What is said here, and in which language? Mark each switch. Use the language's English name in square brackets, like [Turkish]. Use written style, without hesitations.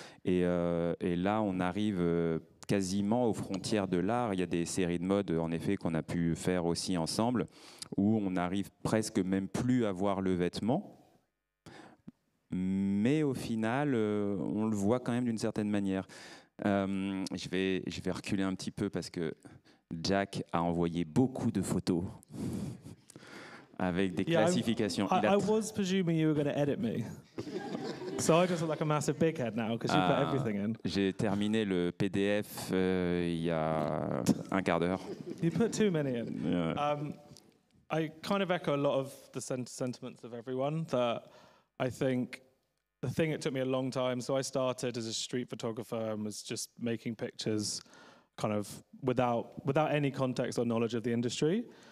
[French] Et là, on arrive quasiment aux frontières de l'art. Il y a des séries de mode, en effet, qu'on a pu faire aussi ensemble, où on n'arrive presque même plus à voir le vêtement. Mais au final, on le voit quand même d'une certaine manière. Je vais reculer un petit peu parce que Jack a envoyé beaucoup de photos. Avec des classifications. [English] I was presuming you were going to edit me. So I just look like a massive big head now because you put everything in. [French] J'ai terminé le PDF il y a un quart d'heure. [English] You put too many in. Yeah. I kind of echo a lot of the sentiments of everyone that I think the thing, it took me a long time. So I started as a street photographer and was just making pictures kind of without any context or knowledge of the industry.